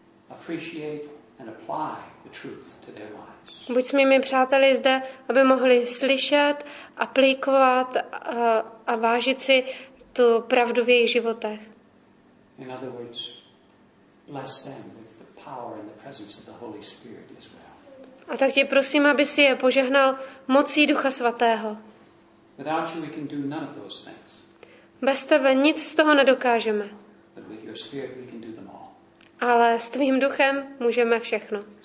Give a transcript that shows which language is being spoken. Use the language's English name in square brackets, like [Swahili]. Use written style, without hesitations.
[English] Appreciate and apply the truth to their lives. [Czech] Buď s mými přáteli zde, aby mohli slyšet, aplikovat a vážit si tu pravdu v jejich životech. [English] In other words, bless them with the power and the presence of the Holy Spirit as well. [Czech] A tak tě prosím, aby si je požehnal mocí Ducha Svatého. [English] Without you we can do none of those things. [Czech] Bez tebe nic z toho nedokážeme. [English] But with your spirit we can do them all. [Czech] Ale s tvým duchem můžeme všechno.